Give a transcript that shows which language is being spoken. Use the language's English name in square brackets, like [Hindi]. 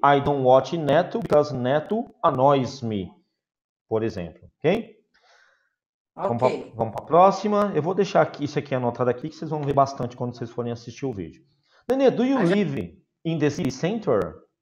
[English] I don't watch neto because neto annoys me. [Portuguese] Por exemplo, ok? Ok. Vamos para a próxima. Eu vou deixar aqui isso aqui anotado aqui que vocês vão ver bastante quando vocês forem assistir o vídeo. [English] Nenê, do you live in the city center?